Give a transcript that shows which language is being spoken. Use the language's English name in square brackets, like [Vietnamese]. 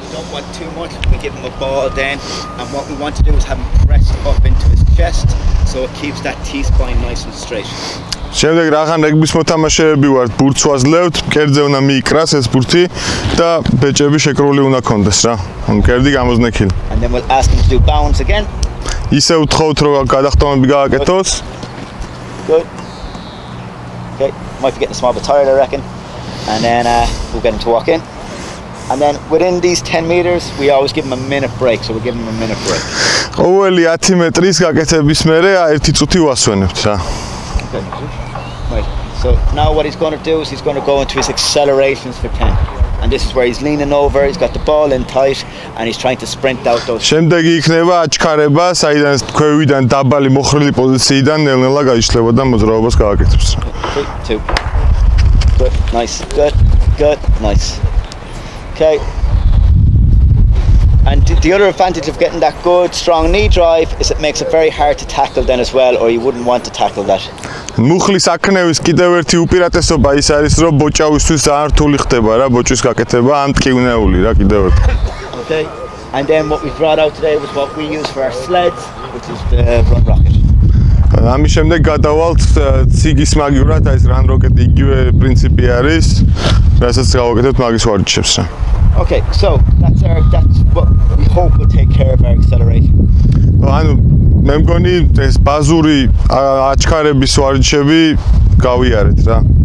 [English] Give him a ball then, and what we want to do is have him press up into his chest so it keeps that T-spine nice and straight. [Georgian] შემდეგ რახან რეგბის მოთამაშეები ვართ, ბურთსვას ლევთ, კერძე უნდა მიიკრას ეს ბურთი და ბეჭები შეკრული უნდა კონდეს რა. ამ კერდი გამოზნექილი. [English] And then we'll ask him to do bounce again. [Georgian] ისე უთხოვთ რომ გადახტომები გააკეთოს. [English] Good. Okay, might be getting small but tired I reckon. And then we'll get him to walk in. And then within these 10 meters we always give him a minute break, so we give him a minute break. [Georgian] ყოველი 10 მეტრის გაკეთების მერე ერთი წუთი ვასვენებთ რა. [English] So now what he's going to do is he's going to go into his accelerations for 10. And this is where he's leaning over, he's got the ball in tight and he's trying to sprint out those. [Georgian] შემდეგი იქნება აჩქარება, საიდან ქვევიდან დაბალი მოხრილი პოზიციიდან ნელ-ნელა გაიშლება და მოძრაობას გააკეთებს. [English] Good, nice. Good, nice. Okay. And the other advantage of getting that good strong knee drive is it makes it very hard to tackle then as well, or you wouldn't want to tackle that. [Georgian] მუხლის აქნევის კიდევ ერთი უპირატესობა ის არის რომ ბოჭავისთვის ართული ხდება რა ბოჭის გაკეთება ან ტკივნეული რა კიდევ ერთი. [English] Okay. And then what we brought out today was what we use for our sleds, which is the run rocket. [Georgian] ამის შემდეგ გადავალთ ციგის მაგივრად, აი ეს run rocket იგივე პრინციპი არის. რასაც გავაკეთებთ მაგის ვარჯიშებს რა. [English] Okay, so that's what we hope will take care of our acceleration. [Georgian] ანუ მე მგონი ეს ბაზური აჩქარების ვარჯიშები გავიარეთ რა.